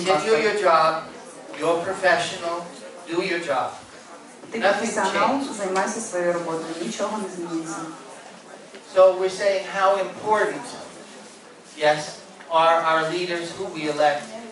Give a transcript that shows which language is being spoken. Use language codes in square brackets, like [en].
[en] пастор. You do your job, you're professional, do your job. [uk] Ти професіонал, займайся своєю роботою, нічого не зміниться. [en] So we're saying how important, yes, are our leaders who we elect.